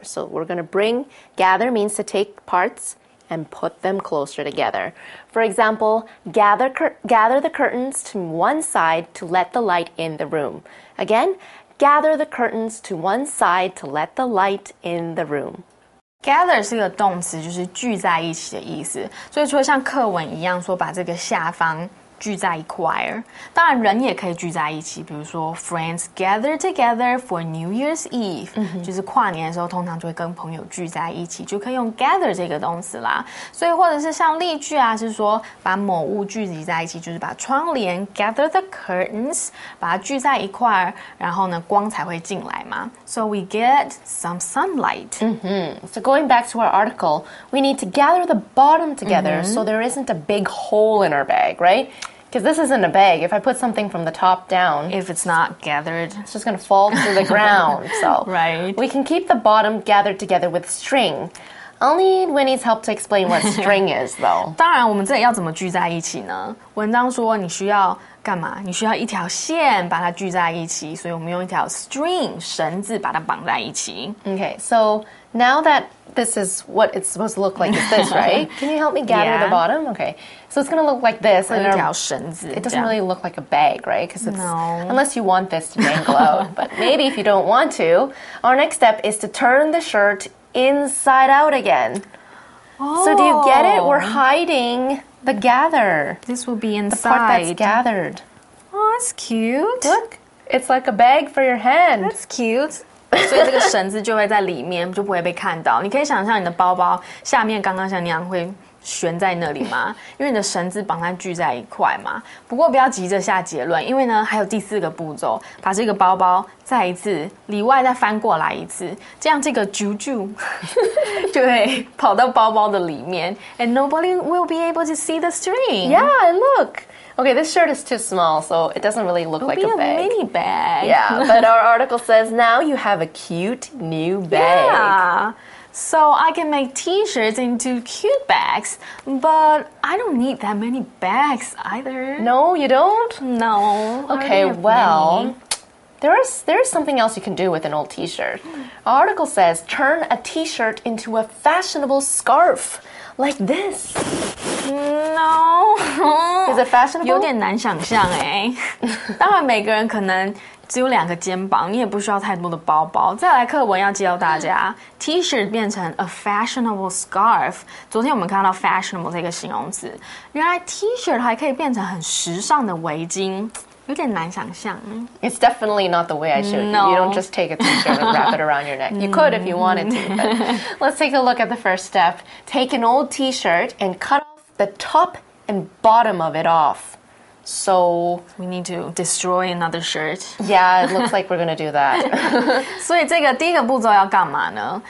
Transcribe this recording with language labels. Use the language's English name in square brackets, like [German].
[English] So we're going to bring, gather means to take parts and put them closer together. For example, gather the curtains to one side to let the light in the room. Again, gather the curtains to one side to let the light in the room. [Chinese] Gather 是一个动词，就是聚在一起的意思。所以除了像课文一样说把这个下方聚在一块，当然人也可以聚在一起。比如说 [English] ，friends gather together for New Year's Eve，、嗯、 [Chinese] 就是跨年的时候，通常就会跟朋友聚在一起，就可以用 gather 这个动词啦。所以或者是像例句啊，是说把某物聚集在一起，就是把窗帘 [English] gather the curtains， [Chinese] 把它聚在一块，然后呢，光才会进来嘛。 [English] So we get some sunlight.、 Mm-hmm. So going back to our article, we need to gather the bottom together、mm-hmm. so there isn't a big hole in our bag, right? Because this isn't a bag. If I put something from the top down... If it's not gathered... It's just going to fall to the ground. So right. We can keep the bottom gathered together with string. I'll need Winnie's help to explain what string is, though. [Chinese] 当然，我们这里要怎么聚在一起呢？文章说你需要干嘛？你需要一条线把它聚在一起，所以我们用一条 string 绳子把它绑在一起。 [English] Okay, so now that this is what it's supposed to look like, is this right? Can you help me gather、 yeah. the bottom? Okay, so it's going to look like this. [Chinese] 一条绳子。 [English] It doesn't really look like a bag, right? Because it's, no. Unless you want this to dangle out, but maybe if you don't want to, our next step is to turn the shirt. Inside out again.、 Oh. So do you get it? We're hiding the gather. This will be inside. The part that's gathered. Oh, that's cute. Look, it's like a bag for your hand. That's cute. [Chinese] 所以这个绳子就会在里面，就不会被看到。你可以想象你的包包下面刚刚像那样会悬在那里吗？因为你的绳子绑它聚在一块嘛。不过不要急着下结论，因为呢还有第四个步骤，把这个包包再一次里外再翻过来一次，这样这个啾啾就会跑到包包的里面 ， [English] and nobody will be able to see the string. Yeah, and look. Okay, this shirt is too small, so it doesn't really look like a bag. It'll be a mini bag. Yeah, but our article says now you have a cute new bag. Yeah. So I can make t-shirts into cute bags, but I don't need that many bags either. No, you don't? No. Okay, well, there is something else you can do with an old t-shirt. Our article says, turn a t-shirt into a fashionable scarf, like this. No. Is it fashionable? [Chinese] 有点难想象诶。当然每个人可能只有两个肩膀，你也不需要太多的包包。再来，课文要教大家 T-shirt 变成 [English] a fashionable scarf。 [Chinese] 昨天我们看到 fashionable 这个形容词，原来 T-shirt 还可以变成很时尚的围巾，有点难想象。 [English] It's definitely not the way I showed you. No. You don't just take a T-shirt and wrap it around your neck. You could if you wanted to. But let's take a look at the first step. Take an old T-shirt and cut off the top and bottom of it off. So, we need to destroy another shirt. Yeah, it looks like we're going to do that. [Chinese] 所以这个第一个步骤要干嘛呢？